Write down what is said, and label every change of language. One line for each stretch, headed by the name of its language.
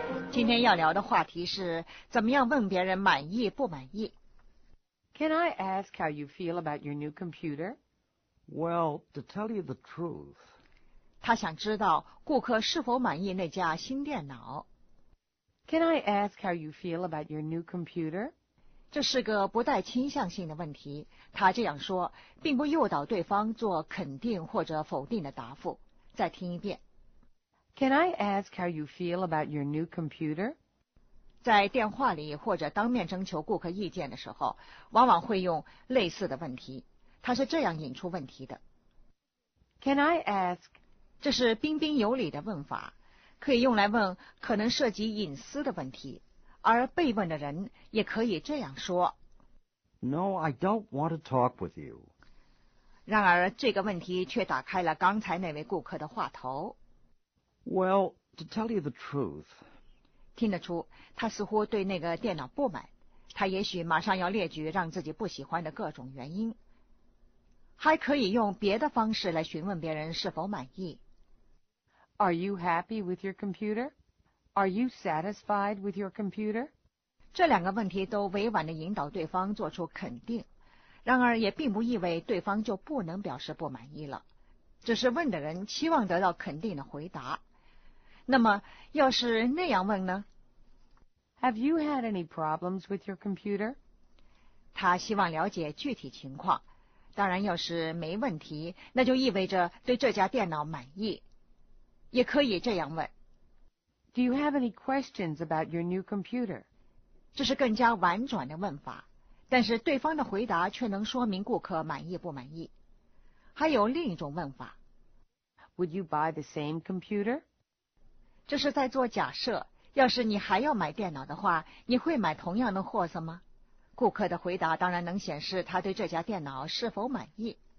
Chinese: 今天要聊的话题是怎么样问别人满意不满意。
English: Can I ask how you feel about your new computer? Well, to tell you the truth...
Chinese: 他想知道顾客是否满意那架新电脑。
English: Can I ask how you feel about your new computer?
Chinese: 这是个不带倾向性的问题，他这样说并不诱导对方做肯定或者否定的答复。再听一遍。
English: Can I ask how you feel about your new computer?
Chinese: 在电话里或者当面征求顾客意见的时候，往往会用类似的问题。他是这样引出问题的。
English: Can I ask?
Chinese: 这是彬彬有礼的问法。可以用来问可能涉及隐私的问题，而被问的人也可以这样说。
English: No, I don't want to talk with you.
Chinese: 然而这个问题却打开了刚才那位顾客的话头。
English: Well, to tell you the truth.
Chinese: 听得出他似乎对那个电脑不满，他也许马上要列举让自己不喜欢的各种原因。还可以用别的方式来询问别人是否满意。
English: Are you happy with your computer? Are you satisfied with your computer?
Chinese: 这两个问题都委婉地引导对方做出肯定，然而也并不意味对方就不能表示不满意了，只是问的人期望得到肯定的回答。那么，要是那样问呢？
English: Have you had any problems with your computer?
Chinese: 他希望了解具体情况，当然要是没问题，那就意味着对这家电脑满意。也可以这样问。
English: Do you have any questions about your new computer?
Chinese: 这是更加婉转的问法，但是对方的回答却能说明顾客满意不满意。还有另一种问法。
English: Would you buy the same computer?
Chinese: 这是在做假设，要是你还要买电脑的话，你会买同样的货色吗？顾客的回答当然能显示他对这家电脑是否满意。